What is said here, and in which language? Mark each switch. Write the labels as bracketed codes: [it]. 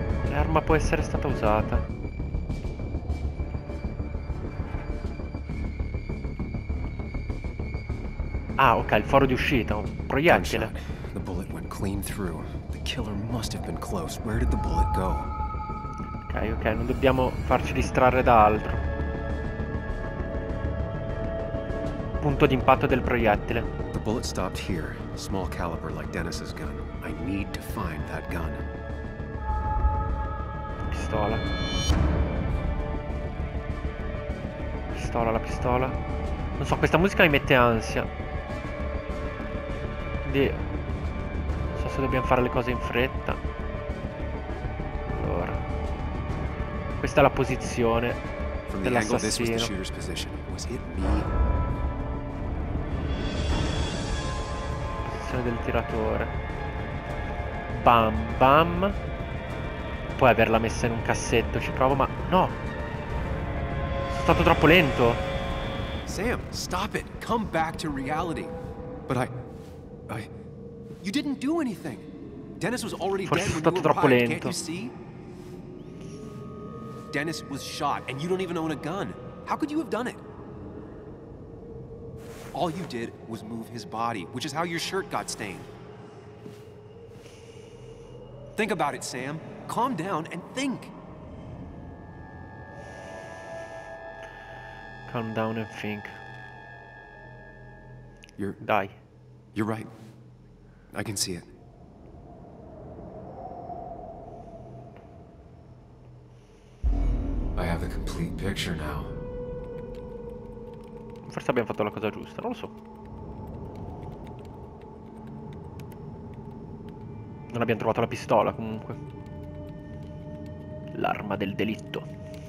[it] L'arma può essere stata usata. Ah, ok, il foro di uscita, un proiettile. [en] The bullet went clean through. The killer must have been close. Where did the bullet go? [it] Ok, ok, non dobbiamo farci distrarre da altro. Punto d'impatto del proiettile. [en] The bullet stopped here. Small caliber like Dennis's gun. I need to find that gun. [it] Pistola. Pistola, la pistola. Non so, questa musica mi mette ansia. Non so se dobbiamo fare le cose in fretta. Allora, questa è la posizione dell'assassino. Posizione del tiratore. Bam bam. Puoi averla messa in un cassetto. Ci provo, ma no. Sono stato troppo lento. [en] Sam, stop it. Come back to reality. But I You didn't do anything. Dennis was already [it] forse [en] dead [it] è stato troppo [en] arrived, [it] lento. [en] Dennis was shot and you don't even own a gun. How could you have done it? All you did was move his body, which is how your shirt got stained. Think about it, Sam. Calm down and think. Calm down and think. You're... Die. You're right. I can see it. I have the complete picture now. [it] Forse abbiamo fatto la cosa giusta, non lo so. Non abbiamo trovato la pistola, comunque. L'arma del delitto.